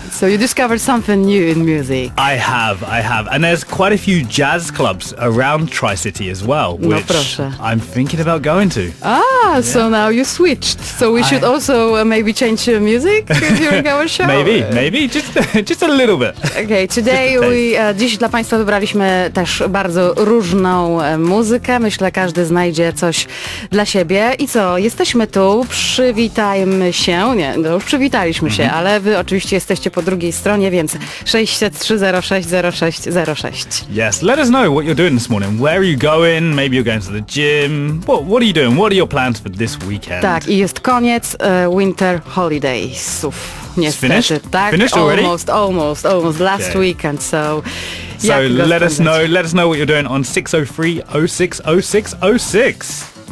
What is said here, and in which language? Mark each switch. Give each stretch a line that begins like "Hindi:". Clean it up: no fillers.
English: So you discovered something new in music. I have. And there's quite a few jazz clubs around Tri-City as well, which I'm thinking about going to. Ah, yeah. So now you switched. So we should also maybe change your music during our show? Maybe. Just a little bit. Okay, today we...
Polish: Dziś dla Państwa wybraliśmy też bardzo różną muzykę. Myślę, każdy znajdzie coś dla siebie. I co? Jesteśmy tu. Przywitajmy się. No nie, no już przywitaliśmy się, ale wy oczywiście jesteście po drugiej stronie, więc 603060606.
English: Yes, let us know what you're doing this morning. Where are you going? Maybe you're going to the gym. What are you doing? What are your plans for this weekend?
Polish: Tak, i jest koniec
English: winter holidays.
Polish: Uf, niestety.
English: Finished already? Almost. Last weekend, so... So let us know what you're doing on 603060606.